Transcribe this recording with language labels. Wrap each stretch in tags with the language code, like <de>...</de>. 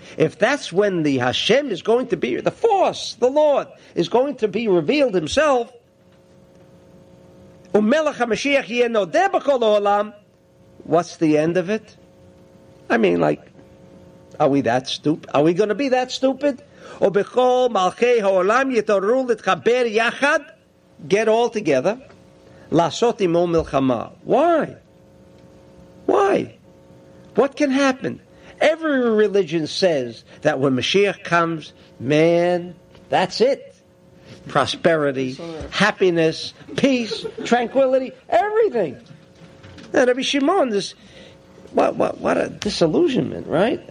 <en>If that's when the Hashem is going to be, the force, the Lord, is going to be revealed himself,</en> <he>ומלך המשיח יהיה נודע בכל העולם.</he> <en>What's the end of it? I mean, like, are we that stupid? Are we going to be that stupid?</en> <he>ובכל מלכי העולם יתעוררו להתחבר יחד,</he> <en>get all together,</en> <he>לעשות עמו מלחמה.</he> <en>Why? Why? What can happen? Every religion says that when Mashiach comes, man, that's it. Prosperity, happiness, peace, tranquility, everything. Now, Rabbi Shimon, this what a disillusionment, right?</en>